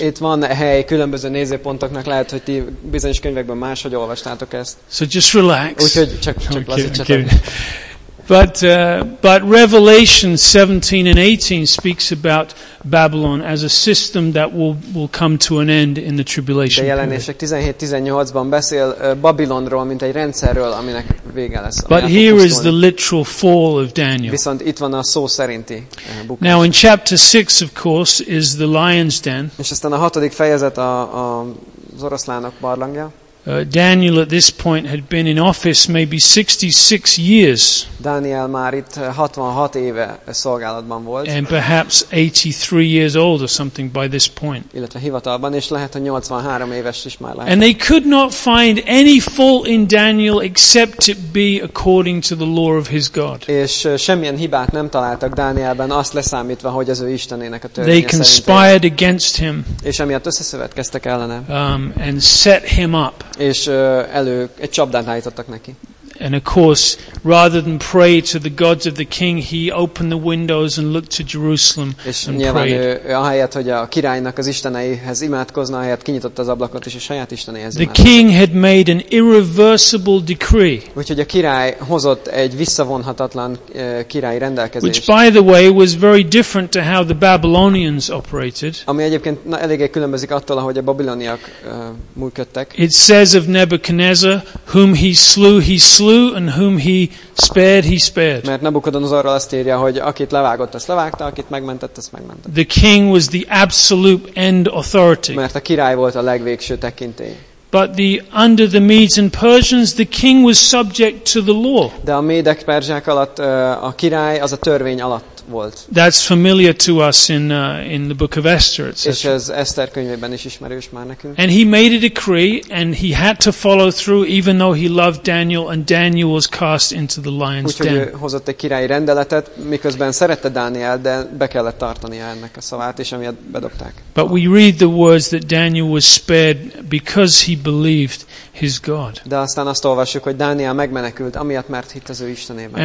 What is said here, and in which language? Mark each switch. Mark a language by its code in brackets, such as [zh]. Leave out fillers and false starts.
[hu] Itt van hely különböző nézőpontoknak, lehet, hogy ti bizonyos könyvekben máshogy olvastátok ezt. [en] So just relax. [hu] Úgyhogy csak lazítsatok. [en] But Revelation 17 and 18 speaks about Babylon as a system that will come to an end in the tribulation. [hu] De Jelenések 17-18-ban beszél Babilonról, mint egy rendszerről, aminek vége lesz. [en] But here is the literal fall of Daniel. [hu] Viszont itt van a szó szerinti bukás. [en] Now in chapter 6 of course is the lion's den. [hu] És aztán a hatodik fejezet az oroszlánok barlangja. [en] Daniel at this point had been in office maybe 66 years. [hu] Daniel már itt 66 éve szolgálatban volt. [en] And perhaps 83 years old or something by this point. [hu] Illetve hivatalban is lehet, hogy 83 éves is már lehet. [en] And they could not find any fault in Daniel except it be according to the law of his God. [hu] És semmilyen hibát nem találtak Dánielben, azt leszámítva, hogy az ő Istenének a törvénye. [en] They conspired against him. [hu] És emiatt összeszövetkeztek ellene. [en] And set him up. [hu] És elő egy csapdát állítottak neki. [en] And of course, rather than pray to the gods of the king, he opened the windows and looked to Jerusalem and prayed. [hu] És nyilván ahelyett, hogy a királynak az isteneihez imádkozna, ahelyett kinyitotta az ablakot és a saját isteneihez imádkozna. [en] The king had made an irreversible decree. [hu] Úgyhogy a király hozott egy visszavonhatatlan királyi rendelkezést. [en] Which, by the way, was very different to how the Babylonians operated. [hu] Ami egyébként eléggé különbözik attól, ahogy a babiloniak működtek. [en] It says of Nebuchadnezzar, whom he slew slew and whom he spared. [hu] Mert Nabukodonozorról azt írja, hogy akit levágott, azt levágta, akit megmentett, azt megmentett. [en] The king was the absolute end authority. [hu] Mert a király volt a legvégső tekintély. [en] But the under the Medes and Persians, the king was subject to the law. [hu] De a médek perzsák alatt a király az a törvény alatt volt. [en] That's familiar to us in the book of Esther. [hu] És ez Eszter könyvében is ismerős már nekünk. [en] And he made a decree, and he had to follow through, even though he loved Daniel, and Daniel was cast into the lion's den. [hu] Úgyhogy hozott egy királyi rendeletet, miközben szerette Dániel, de be kellett tartania ennek a szavát, és amiatt bedobták. [en] But we read the words that Daniel was spared because he believed his God. [hu] De aztán azt olvassuk, hogy Dániel megmenekült, amiatt, mert hitt az ő Istenében.